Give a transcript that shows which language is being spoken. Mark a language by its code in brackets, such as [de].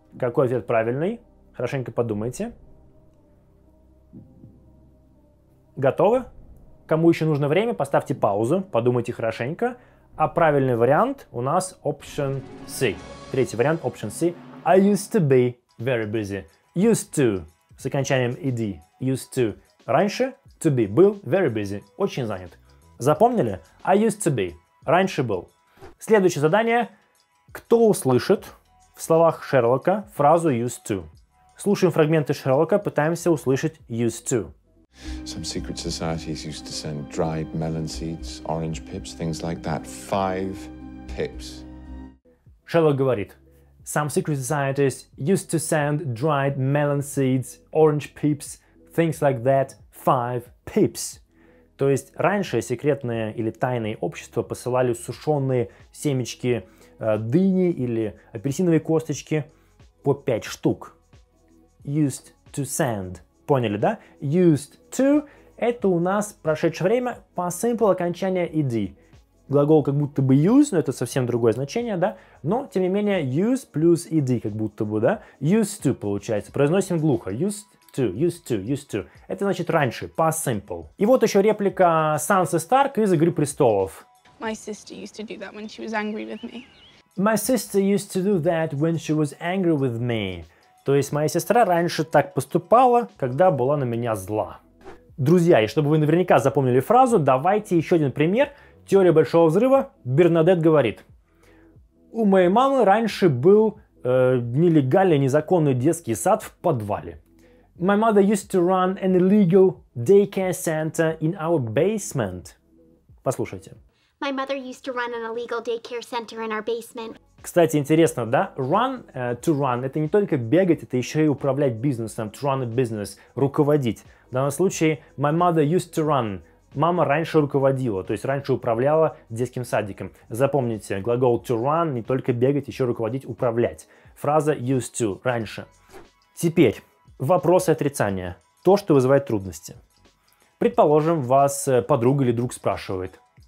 [ru] Какой ответ правильный? Хорошенько подумайте. Готовы? Кому еще нужно время, поставьте паузу, подумайте хорошенько. А правильный вариант у нас option C. Третий вариант option C. [en] I used to be very busy. [ru] Used to с окончанием ed. [en] Used to. [ru] Раньше [en] to be. [ru] Был [en] very busy. [ru] Очень занят. Запомнили? [en] I used to be. [ru] Раньше был. Следующее задание. Кто услышит в словах Шерлока фразу used to? Слушаем фрагменты Шерлока, пытаемся услышать used to. [en] Some secret societies used to send dried melon seeds, orange pips, things like that. Five pips. [ru] Шерлок говорит. [en] Some secret societies used to send dried melon seeds, orange pips, things like that. Five pips. [ru] То есть раньше секретные или тайные общества посылали сушеные семечки дыни или апельсиновые косточки по 5 штук. [en] Used to send. [ru] Поняли, да? Used to – это у нас прошедшее время по simple окончания ed. Глагол как будто бы use, но это совсем другое значение, да? Но, тем не менее, use плюс ed как будто бы, да? Used to получается. Произносим глухо. Used to, used to, used to. Это значит раньше, по simple. И вот еще реплика Сансы Старк из «Игры престолов». [en] My sister used to do that when she was angry with me. My sister used to do that when she was angry with me. [ru] То есть моя сестра раньше так поступала, когда была на меня зла. Друзья, и чтобы вы наверняка запомнили фразу, давайте еще один пример. Теория большого взрыва. Бернадет говорит. У моей мамы раньше был нелегальный, незаконный детский сад в подвале. [en] My mother used to run an illegal daycare center in our basement. [ru] Послушайте. [en] My mother used to run an illegal daycare center in our basement. [ru] Кстати, интересно, да? Run, to run, это не только бегать, это еще и управлять бизнесом, [en] to run a business, [ru] руководить. В данном случае, [en] my mother used to run. [ru] Мама раньше руководила, то есть раньше управляла детским садиком. Запомните, глагол to run, не только бегать, еще руководить, управлять. Фраза used to, раньше. Теперь, вопросы отрицания. То, что вызывает трудности. Предположим, вас подруга или друг спрашивает.